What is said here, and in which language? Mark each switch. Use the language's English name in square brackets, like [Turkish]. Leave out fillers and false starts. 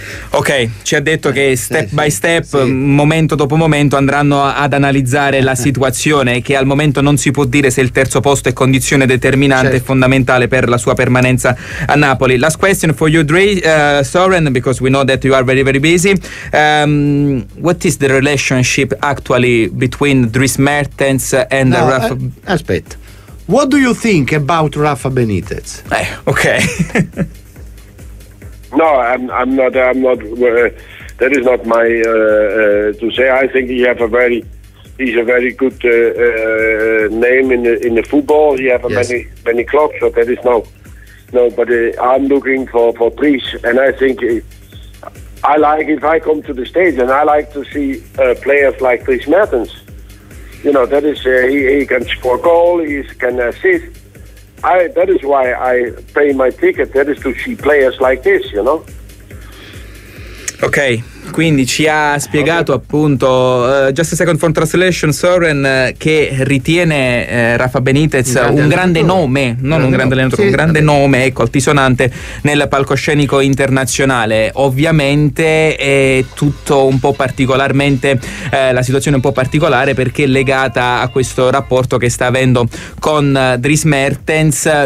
[Italian] Ok, ci ha detto che step by step, momento dopo momento, andranno ad analizzare la situazione, e che al momento non si può dire se il terzo posto è condizione determinante e fondamentale per la sua permanenza a Napoli. [English] Last question for you, Dre, Soren, because we know that you are very very busy. What is the relationship actually between Dries Mertens and Rafa? [Italian] Aspetta. [English] What do you think about Rafa Benitez? Ok. No, I'm not. That is not my to say. I think he's a very good name in the football. He have many clubs, so that is no. But I'm looking for Dries, and I think I like, if I come to the stage and I like to see players like Dries Mertens. You know, that is he can score goal, he can assist. That is why I pay my ticket, that is to see players like this, you know? [Italian] Ok, quindi ci ha spiegato appunto, [English] just a second for translation, [Italian] Soren, che ritiene Rafa Benitez un grande nome, ecco, altisonante nel palcoscenico internazionale. Ovviamente è tutto un po' particolarmente, la situazione è un po' particolare perché è legata a questo rapporto che sta avendo con Dries Mertens.